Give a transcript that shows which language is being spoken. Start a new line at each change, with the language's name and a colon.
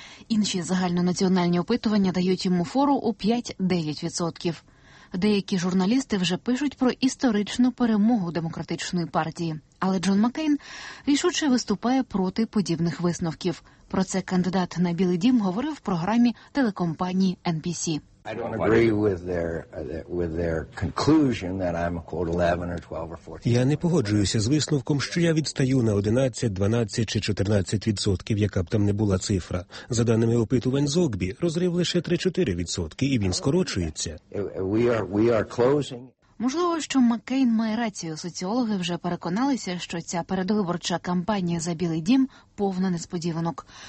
Ukrainian: Інші загальнонаціональні опитування дають йому фору у 5-9%. Деякі журналісти вже пишуть про історичну перемогу демократичної партії. Але Джон Маккейн рішуче виступає проти подібних висновків. Про це кандидат на Білий Дім говорив в програмі телекомпанії NBC.
English: I don't agree with their conclusion that I'm a quote 11 or 12 or 14.
Ukrainian: Я не погоджуюся з висновком, що я відстаю на 11, 12 чи 14%, яка б там не була цифра. За даними опитувань Zogby, розрив лише 3-4%, і він скорочується.
English: We are closing.
Ukrainian: Можливо, що Маккейн має рацію. Соціологи вже переконалися, що ця передвиборча кампанія за Білий Дім повна несподіванок.